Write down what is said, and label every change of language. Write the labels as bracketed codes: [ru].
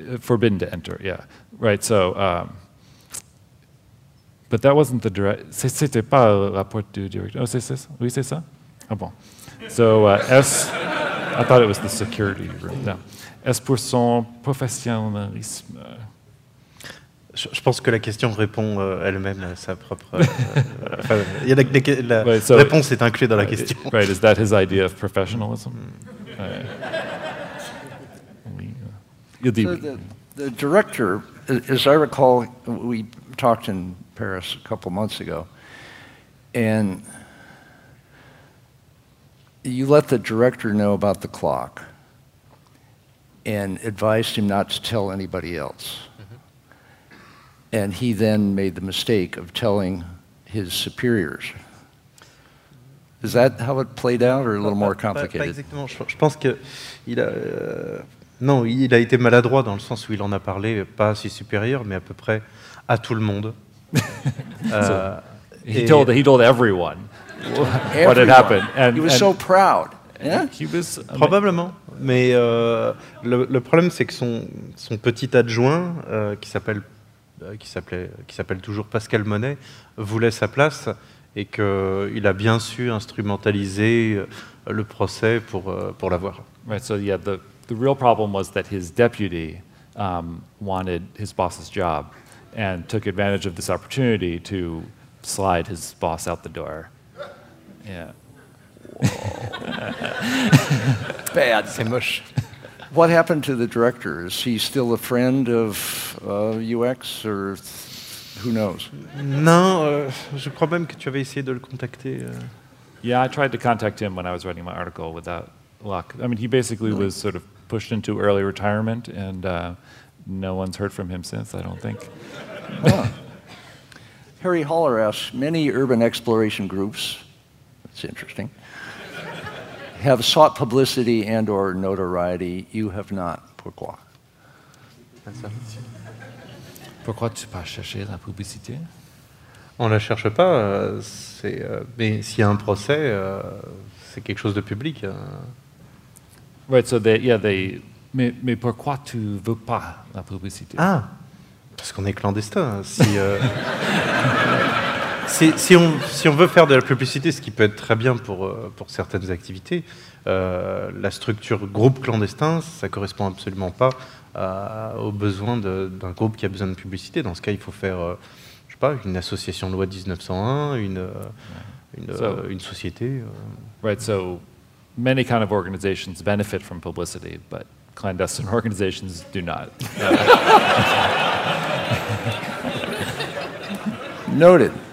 [en] Forbidden to enter, yeah. Right, so, but that wasn't the direct, [fr] c'était pas la porte du directeur, oh, c'est ça? Oui, c'est ça? Ah bon. [en] So, I thought it was the security room, no. [fr] Est-ce pour son professionnalisme? Je pense que la question répond elle-même à sa propre. La réponse est incluse dans la question. [en] Right, is that his idea of professionalism? The director, as I recall, we talked in Paris a couple months ago, and you let the director know about the clock and advised him not to tell anybody else. And he then made the mistake of telling his superiors. Is that how it played out, or a little more complicated? [fr] Pas exactement. Je pense que il a été maladroit dans le sens où il en a parlé pas à ses supérieurs, mais à peu près à tout le monde. [en] he told everyone what had happened. And, he was so proud. Yeah? He was [fr] probablement. Mais le problème, c'est que son petit adjoint qui s'appelle toujours Pascal Monet, voulait sa place et qu'il a bien su instrumentaliser le procès pour l'avoir. [en] Right, so yeah, the real problem was that his deputy wanted his boss's job and took advantage of this opportunity to slide his boss out the door. Yeah. Bad. [fr] C'est moche. [en] What happened to the director? Is he still a friend of UX, or who knows? [fr] Non, je crois même que tu avais essayé de le contacter. [en] Yeah, I tried to contact him when I was writing my article without luck. I mean, he basically was sort of pushed into early retirement, and no one's heard from him since, I don't think. Harry Haller asks, many urban exploration groups, that's interesting, have sought publicity and or notoriety. You have not. [fr] Pourquoi? Pourquoi tu pas cherché la publicité? On la cherche pas. C'est, mais s'il y a un procès, c'est quelque chose de public. [en] Right, so they [fr] mais pourquoi tu veux pas la publicité? Ah, parce qu'on est clandestin. Si si on veut faire de la publicité, ce qui peut être très bien pour certaines activités, la structure groupe clandestin, ça correspond absolument pas aux besoins d'un groupe qui a besoin de publicité. Dans ce cas, il faut faire, je sais pas, une association loi 1901, une société. [en] Right. So many kind of organizations benefit from publicity, but clandestine organizations do not. Noted.